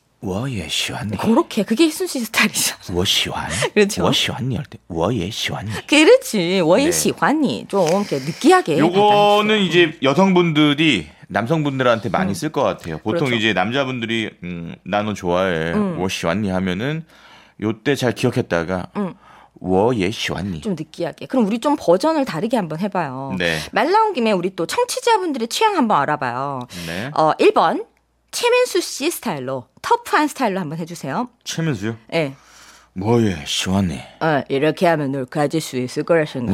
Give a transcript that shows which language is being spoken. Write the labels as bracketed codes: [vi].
[zh] 我也喜欢你. [ko] 그렇게. 그게 희순 씨 스타일이잖아요. [zh] 我喜欢. [ko] 그렇죠. [zh] 我喜欢你 [ko] 할 때. [zh] 我也喜欢你. [ko] 그렇지. [zh] 我也喜欢你. [ko] 네. 좀 이렇게 느끼하게. 요거는 이제 여성분들이 남성분들한테 많이 쓸 것 같아요. 보통 그렇죠. 이제 남자분들이 나는 좋아해. [zh] 我喜欢你 [ko] 하면은 요때 잘 기억했다가 [zh] 我也喜欢你. [ko] 좀 느끼하게. 그럼 우리 좀 버전을 다르게 한번 해봐요. 네. 말 나온 김에 우리 또 청취자분들의 취향 한번 알아봐요. 네. 1번 최민수 씨 스타일로 터프한 스타일로 한번 해주세요. 최민수요? 네. [zh] 我也喜欢你. [ko] 이렇게 하면 널 가질 수 있을 거라 생각.